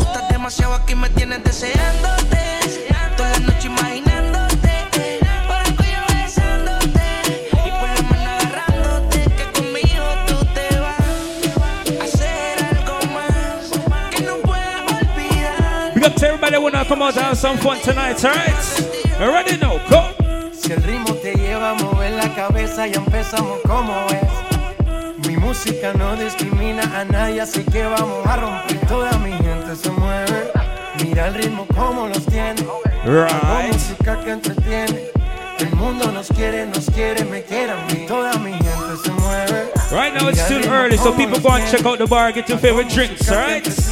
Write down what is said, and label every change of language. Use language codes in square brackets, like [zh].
[es] demasiado aquí me tienes deseándote. Toda la noche imaginándote, por el cuello besándote y por la mano agarrándote. Que conmigo tú te vas a hacer algo más que no puedas olvidar. [en] Big up to everybody, wanna come out and have some fun tonight, alright? Ready now, go. [es] Si el ritmo te lleva a mover la cabeza, ya empezamos como es. Mi música no discrimina a nadie, así que vamos a romper. Toda mi gente se mueve. Mira el ritmo como los tiene. [en] Right. [es] Tengo música que entretiene. El mundo nos quiere, me quiera. Toda mi gente se mueve. [en] Right now it's too early, so people go and check out the bar, get your favorite drinks, alright?